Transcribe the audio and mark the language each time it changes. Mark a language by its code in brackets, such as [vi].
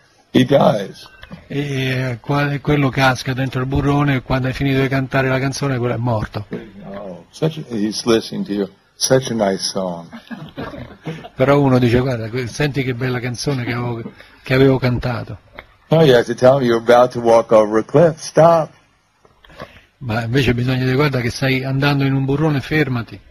[it] E quello casca dentro il burrone e quando hai finito di cantare la canzone quello è morto. [en] He's listening to you. Such a nice song. [it] Però uno dice guarda, senti che bella canzone che avevo cantato. [en] Oh, you have to tell me you're about to walk over a cliff. Stop. [it] Ma invece bisogna dire guarda che stai andando in un burrone, fermati.